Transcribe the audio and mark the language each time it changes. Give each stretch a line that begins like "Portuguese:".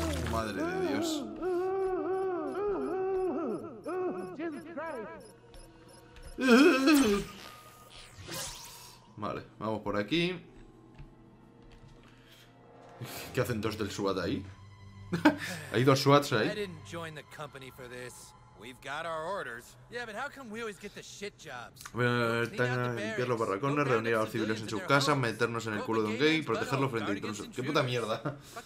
Spanish: Madre de Dios. Vale, vamos por aquí. ¿Qué hacen dos del SWAT ahí? Hay dos SWATs ahí.
English: I didn't join the company for this. We've got our orders. Yeah, but how come we always get the shit jobs?
Spanish: Limpiar los barracones, reunir a los civiles en su casa, meternos en el culo de un gay, protegerlo frente a intrusos. ¡Qué puta mierda!